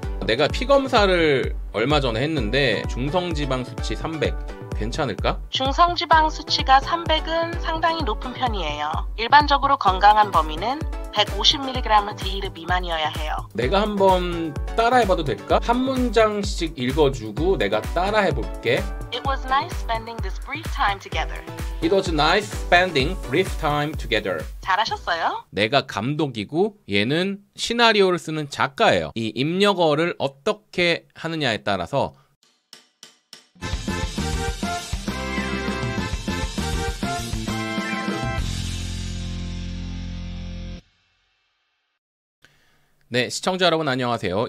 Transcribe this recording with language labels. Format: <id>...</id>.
<ko>내가 피검사를 얼마 전에 했는데 중성지방 수치 300 괜찮을까? 중성지방 수치가 300은 상당히 높은 편이에요. 일반적으로 건강한 범위는 150mg/dL 미만이어야 해요. 내가 한번 따라해봐도 될까? 한 문장씩 읽어주고 내가 따라해볼게.</ko> <en>It was nice spending this brief time together. It was nice spending brief time together.</en> <ko>잘하셨어요. 내가 감독이고 얘는 시나리오를 쓰는 작가예요. 이 입력어를 어떻게 하느냐에 따라서 네, 시청자 여러분 안녕하세요.</ko>